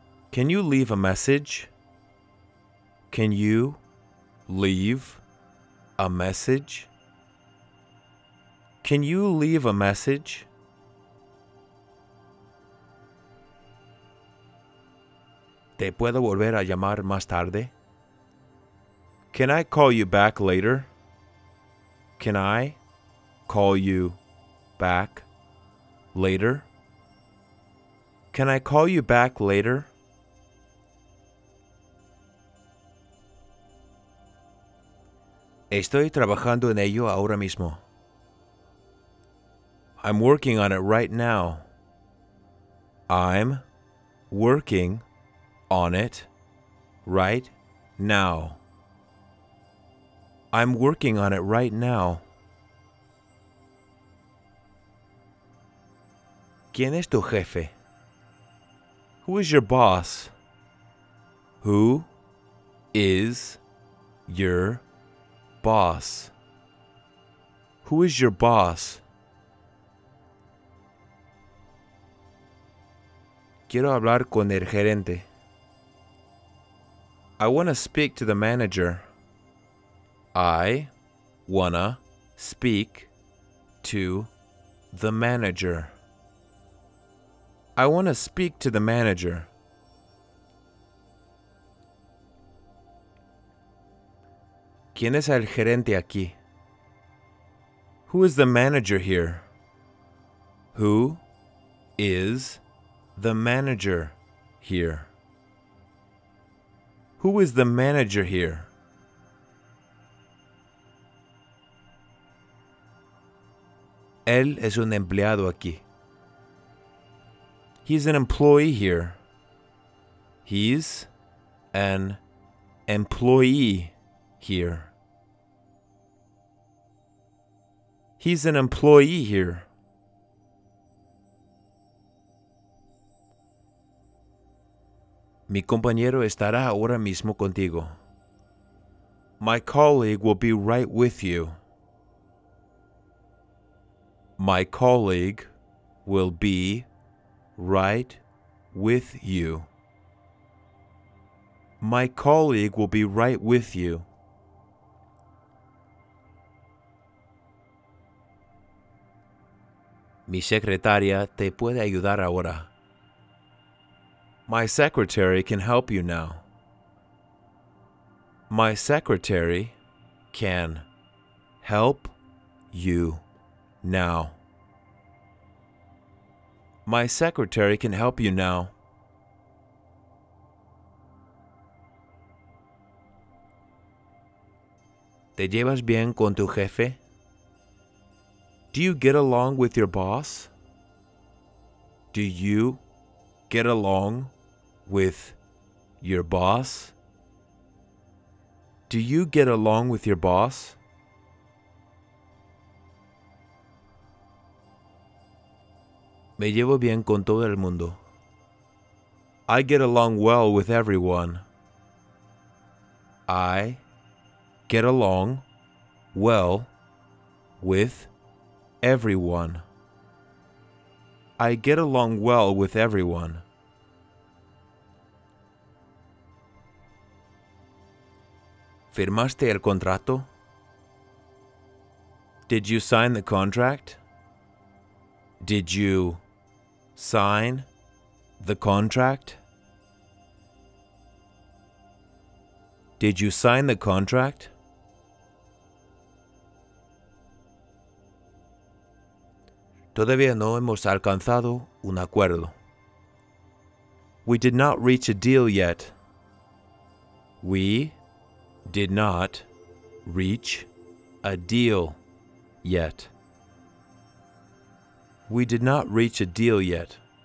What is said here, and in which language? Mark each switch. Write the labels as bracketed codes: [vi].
[en] Can you leave a message? Can you leave a message? Can you leave a message? [es] ¿Te puedo volver a llamar más tarde? [en] Can I call you back later? Can I call you back later? Can I call you back later? [es] Estoy trabajando en ello ahora mismo. [en] I'm working on it right now. I'm working on it right now. I'm working on it right now. [es] ¿Quién es tu jefe? [en] Who is your boss? Who is your boss? Who is your boss? [es] Quiero hablar con el gerente. [en] I want to speak to the manager. I wanna speak to the manager. I wanna speak to the manager. [es] ¿Quién es el gerente aquí? [en] Who is the manager here? Who is the manager here? Who is the manager here? [es] Él es un empleado aquí. [en] He's an employee here. He's an employee here. He's an employee here. [es] Mi compañero estará ahora mismo contigo. [en] My colleague will be right with you. My colleague will be right with you. My colleague will be right with you. [es] Mi secretaria te puede ayudar ahora. [en] My secretary can help you now. My secretary can help you now. My secretary can help you now. [es] ¿Te llevas bien con tu jefe? [en] Do you get along with your boss? Do you get along with your boss? Do you get along with your boss? [es] Me llevo bien con todo el mundo. [en] I get along well with everyone. I get along well with everyone. I get along well with everyone. [es] ¿Firmaste el contrato? [en] Did you sign the contract? Did you sign the contract? Did you sign the contract? [es] Todavía no hemos alcanzado un acuerdo. [en] We did not reach a deal yet. We did not reach a deal yet. We did not reach a deal yet.